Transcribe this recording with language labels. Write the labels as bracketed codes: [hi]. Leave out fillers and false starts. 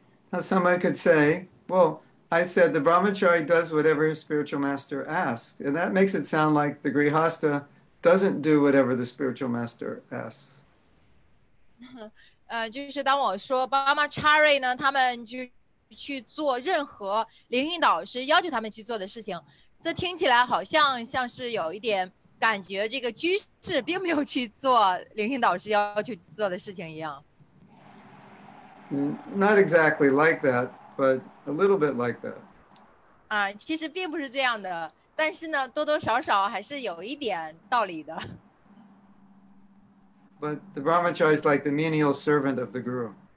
[en] Now, somebody could say, well, I said the brahmachari does whatever his spiritual master asks. And that makes it sound like the grihastha doesn't do whatever the spiritual master asks. [zh] 就是当我说 brahmachari 呢，他们就去做任何灵应导师要求他们去做的事情，这听起来好像像是有一点感觉这个居士并没有去做灵应导师要求做的事情一样。 [en] Not exactly like that, but a little bit like that. [zh] 其实并不是这样的，但是呢，多多少少还是有一点道理的。 [en] But the brahmachari is like the menial servant of the guru.